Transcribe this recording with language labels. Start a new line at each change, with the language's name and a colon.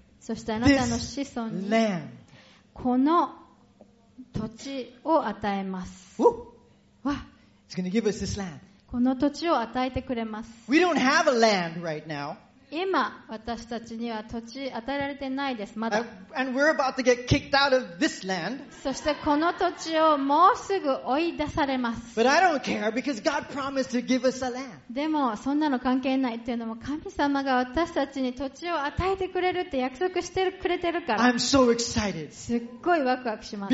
Japanese: そしてあなたの子孫にこの土地を与えます。
English: It's going to give us this land.
Japanese: この土地を与えてくれます。
English: We don't have a land right now.
Japanese: 今私たちには土地与えられてないです。まだ。
English: And we're about to get kicked out of this land.
Japanese: そしてこの土地をもうすぐ追い出されます。
English: But I don't care because God promised to give us a land.
Japanese: でもそんなの関係ないっていうのも神様が私たちに土地を与えてくれるって約束してくれてるから。
English: I'm so excited.
Japanese: すっごいワクワクします。